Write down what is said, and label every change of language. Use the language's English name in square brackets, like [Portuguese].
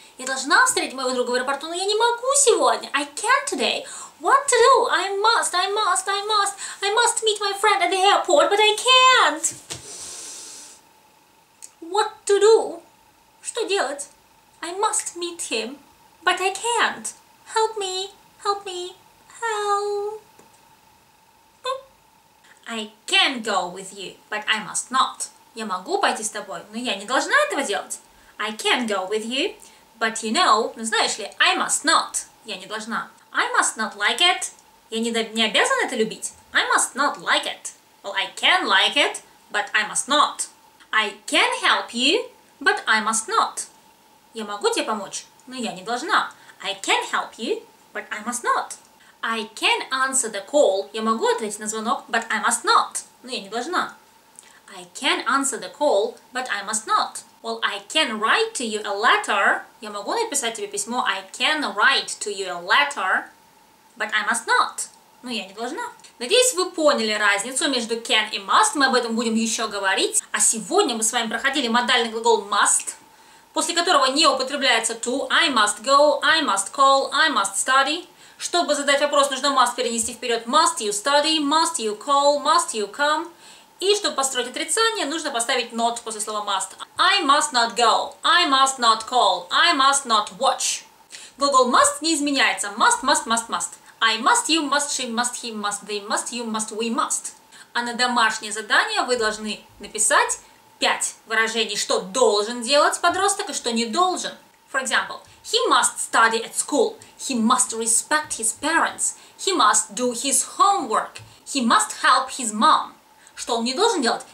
[Russian] Я должна встретить моего друга в аэропорту, но я не могу сегодня. [English] I can't today. What to do? I must meet my friend at the airport, but I can't. What to do? [Russian] Что делать? [English] I must meet him, but I can't. Help me, help me, help. I can go with you, but I must not. [Russian] Я могу пойти с тобой, но я не должна этого делать. [English] I can go with you, but you know, [Russian] ну знаешь ли, [English] I must not. [Russian] Я не должна. [English] I must not like it. [Russian] Я не обязана это любить. [English] I must not like it. Well, I can like it, but I must not. I can help you, but I must not. [Russian] Я могу тебе помочь, но я не должна. [English] I can help you, but I must not. I can answer the call. [Russian] Я могу ответить на звонок, [English] but I must not. [Russian] Но я не должна. [English] I can answer the call, but I must not. Well, I can write to you a letter. [Russian] Я могу написать тебе письмо. [English] I can write to you a letter, but I must not. [Russian] Но я не должна. Надеюсь, вы поняли разницу между can и must. Мы об этом будем еще говорить. А сегодня мы с вами проходили модальный глагол must, после которого не употребляется to. [English] I must go, I must call, I must study. [Russian] Чтобы задать вопрос, нужно must перенести вперед. [English] Must you study, must you call, must you come. [Russian] И чтобы построить отрицание, нужно поставить not после слова must. [English] I must not go, I must not call, I must not watch. [Russian] Глагол must не изменяется. [English] Must, must, must, must. I must, you must, she must, he must, they must, you must, we must. [Russian] А на домашнее задание вы должны написать 5 выражений, что должен делать подросток и что не должен. [English] For example, he must study at school, he must respect his parents, he must do his homework, he must help his mom. [Russian] Что он не должен делать?